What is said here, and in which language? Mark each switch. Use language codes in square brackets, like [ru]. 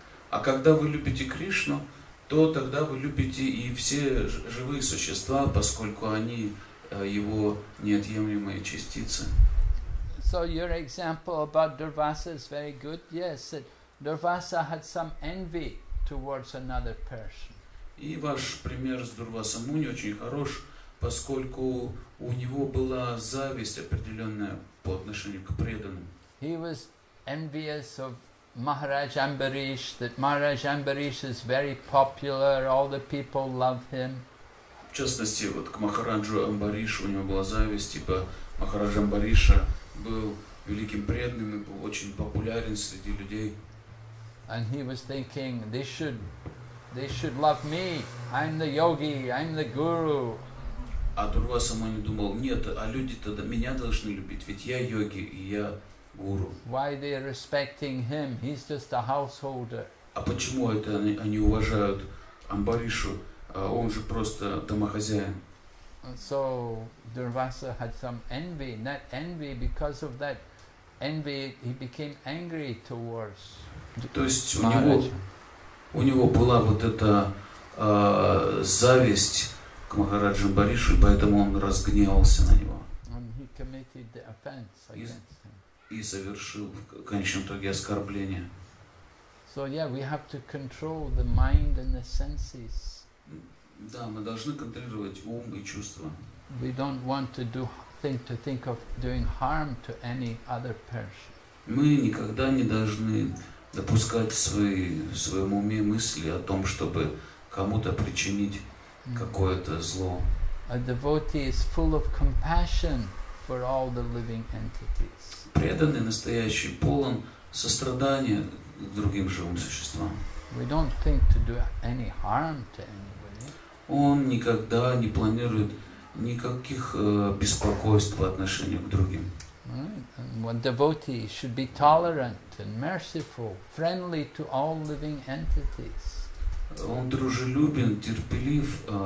[ru] А когда вы любите Кришну, то тогда вы любите и все живые существа, поскольку они его неотъемлемые частицы. [en] So your example about Durvasa is very good. Yes, that Durvasa had some envy towards another person. [ru] И ваш пример с Дурваса Муни очень хорош, поскольку у него была зависть определенная по отношению к преданным. [en] He was envious of Maharaj Ambarish, that Maharaj Ambarish is very popular, all the people love him. [ru] В частности, вот к Махараджу Амбаришу у него была зависть, ибо Махарадж Амбариша был великим преданным и был очень популярен среди людей. [en] And he was thinking, they should love me. I'm the yogi, I'm the guru. [ru] А Дурваса Муни думал, нет, а люди тогда меня должны любить, ведь я йоги и я гуру. [en] Why they are respecting him? He's just a householder. [ru] А почему это они уважают Амбаришу? Он же просто домохозяин. [en] So Durvasa had some envy, not envy, because of that envy he became angry towards. [ru] То есть у него была вот эта зависть к Махараджу Амбаришу, поэтому он разгневался на него. [en] And he committed the offense against him. [ru] И совершил в конечном итоге оскорбление. [en] So yeah, we have to control the mind and the senses. [ru] Да, мы должны контролировать ум и чувства. [en] We don't want to do think to think of doing harm to any other person. [ru] Мы никогда не должны допускать в своем уме мысли о том, чтобы кому-то причинить какое-то зло. [en] A devotee is full of compassion for all the living entities. [ru] Преданный настоящий полон сострадания к другим живым существам. [en] We don't think to do any harm to any. [ru] Он никогда не планирует никаких беспокойств по отношению к другим. [en] One devotee should be tolerant and merciful, friendly to all living entities. [ru] Он дружелюбен, терпелив